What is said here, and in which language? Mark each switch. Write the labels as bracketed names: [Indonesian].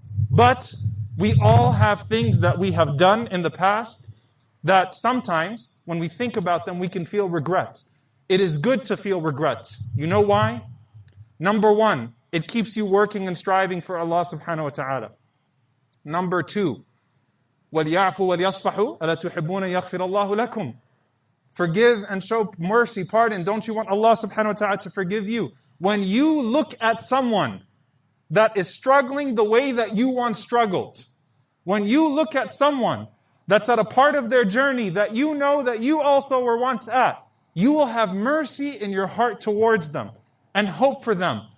[English] But we all have things that we have done in the past that sometimes when we think about them, we can feel regret. It is good to feel regret. You know why? Number one, it keeps you working and striving for Allah subhanahu wa ta'ala. [Arabic] Number two, وَلْيَعْفُوا وَلْيَصْفَحُوا أَلَا تُحِبُّونَ يَغْفِرَ اللَّهُ لَكُمْ. [English] Forgive and show mercy, pardon. Don't you want Allah subhanahu wa ta'ala to forgive you? When you look at someone that is struggling the way that you once struggled, when you look at someone that's at a part of their journey that you know that you also were once at, you will have mercy in your heart towards them and hope for them.